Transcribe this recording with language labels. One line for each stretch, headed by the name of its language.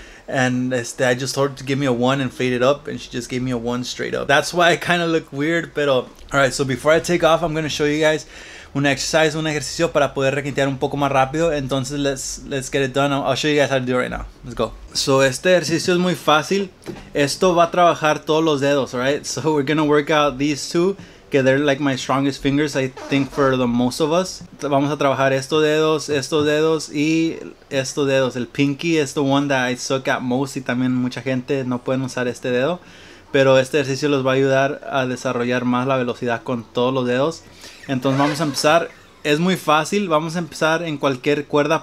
English: And I just told her to give me a one and fade it up, and she just gave me a one straight up. That's why I kind of look weird, pero... Alright, so before I take off, I'm going to show you guys un exercise,
Spanish: un ejercicio para poder requintear un poco más rápido.
English: Entonces, let's get it done. I'll show you guys how to do it right now. Let's go.
Spanish: So, este ejercicio es muy fácil. Esto va a trabajar todos los dedos, alright?
English: So, we're going to work out these two, que they're like my strongest fingers, I think, for the most of us.
Spanish: Vamos a trabajar estos dedos y estos dedos. El pinky
English: is the one that I suck at most,
Spanish: y también mucha gente no pueden usar este dedo. Pero este ejercicio los va a ayudar a desarrollar más la velocidad con todos los dedos. Entonces vamos a empezar. Es muy fácil. Vamos a empezar en cualquier cuerda.